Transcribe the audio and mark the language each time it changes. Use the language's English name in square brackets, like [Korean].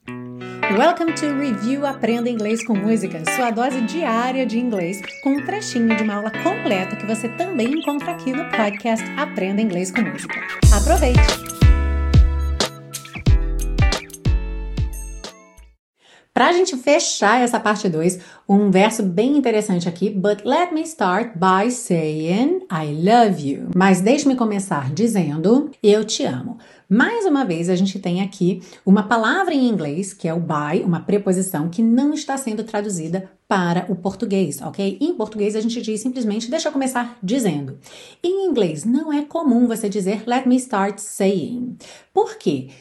[English] Welcome to [Portuguese] Review Aprenda Inglês com Música, sua dose diária de inglês, com um trechinho de uma aula completa que você também encontra aqui no podcast Aprenda Inglês com Música. Aproveite! Para a gente fechar essa parte 2, um verso bem interessante aqui. [English] But let me start by saying I love you. [Portuguese] Mas deixe-me começar dizendo eu te amo. Mais uma vez, a gente tem aqui uma palavra em inglês, que é o by, uma preposição que não está sendo traduzida para o português, ok? Em português, a gente diz simplesmente, deixa eu começar dizendo. Em inglês, não é comum você dizer [English] let me start saying. [Portuguese] Por quê?